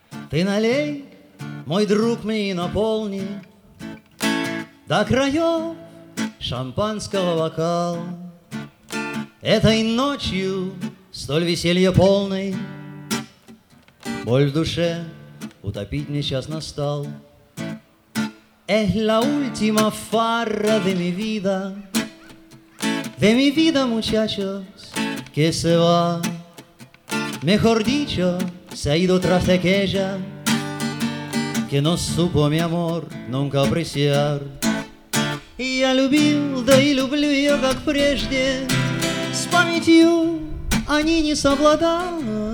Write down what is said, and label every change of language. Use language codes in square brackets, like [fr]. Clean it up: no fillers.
[ru] ты налей, мой друг, мне и наполни до краев шампанского бокал. Этой ночью столь веселье полной боль в душе утопить мне час настал. [es] Es la última farra de mi vida, muchachos, que se va. Mejor dicho, se ha ido tras de aquella que no supo mi amor nunca apreciar. [ru] Я любил, да и люблю ее, как прежде, с памятью они не совладались.